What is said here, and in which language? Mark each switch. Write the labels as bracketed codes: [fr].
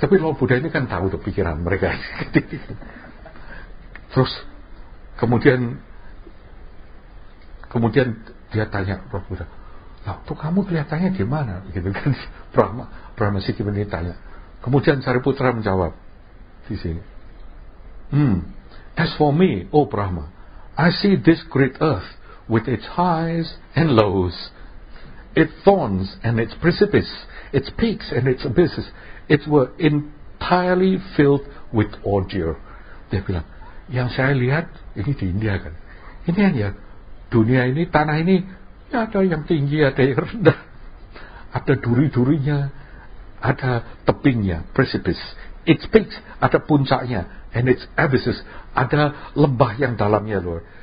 [id] Tapi Lord Buddha ini kan tahu tuh pikiran mereka. Terus kemudian dia tanya Lord Buddha, nah, tuh kamu kelihatannya gimana? Gitu kan, Brahma Sikim ini tanya. Kemudian Sariputra menjawab di sini. [en] As for me, oh Brahma, I see this great earth with its highs and lows, its thorns and its precipices, its peaks and its abysses. It were entirely filled with ordure. [id] Dia bilang, yang saya lihat ini di India kan. Ini hanya dunia ini, tanah ini. Ya, ada yang tinggi, ada yang rendah, ada duri-durinya, ada tebingnya, [en] precipice, its peaks, [id] ada puncaknya, [en] and its abysses, [id] ada lembah yang dalamnya, Lord.